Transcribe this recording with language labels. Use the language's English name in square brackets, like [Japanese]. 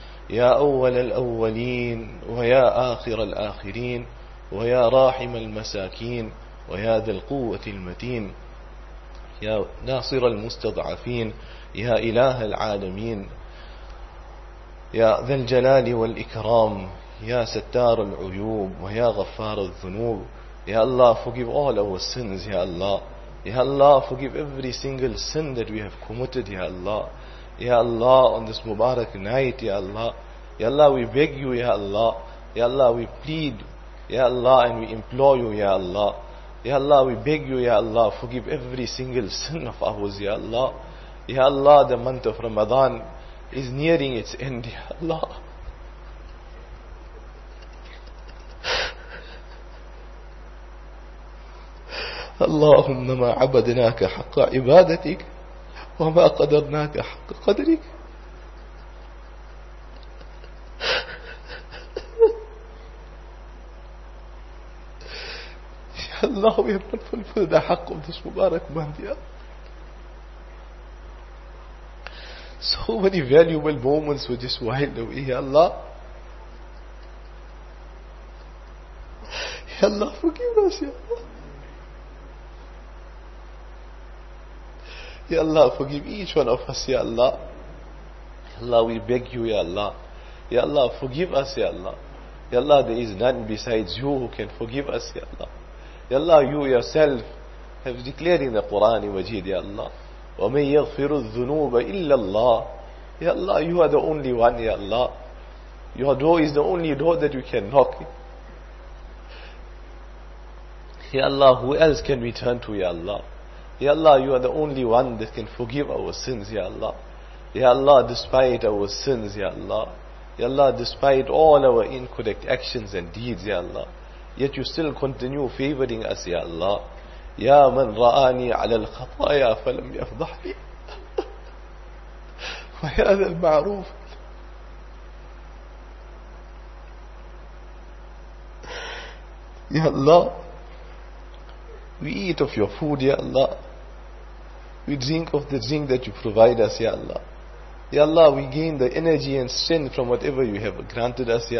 [Arabic] يا أول الأولين ويا آخر الآخرين ويا راحم المساكين ويا ذا القوة المتين يا ناصر المستضعفين يا إله العالمين. يا ذا الجلال والإكرام، يا ستار العيوب ويا غفار الذنوب. [English] يا الله forgive all our sins. يا الله، يا الله forgive every single sin that we have committed. يا الله، يا الله on this Mubarak night. يا الله، يا الله we beg you. يا الله، يا الله we plead. يا الله and we implore you. يا الله، يا الله we beg you. يا الله forgive every single sin of ours. يا الله، يا الله the month of Ramadan is nearing its end. [Arabic] يا الله اللهم ما عبدناك حق عبادتك وما قدرناك حق قدرك. يا الله يا رب فلفلنا حق this مبارك مهدي. [English] So many valuable moments were just wild away. يا الله، يا الله forgive us. يا الله، يا الله forgive each one of us. يا الله، يا الله we beg you. يا الله، يا الله forgive us. يا الله، يا الله there is none besides you who can forgive us. يا الله، يا الله you yourself have declared in the Quran المجيد. [Arabic] يا الله ومن يغفر الذنوب إلا الله. [English] يا الله you are the only one. يا الله your door is the only door that you can knock. يا الله who else can we turn to. يا الله، يا الله you are the only one that can forgive our sins. يا الله، يا الله despite our sins. يا الله، يا الله despite all our incorrect actions and deeds. يا الله yet you still continue favoring us. يا الله [Arabic] يا من رآني على الخطايا فلم يفضحني ويا ذا المعروف [English] يا الله we eat of your food. يا الله we drink of the drink that you provide us. Ya Allah, Ya Allah we gain the energy and strength from whatever you have granted us.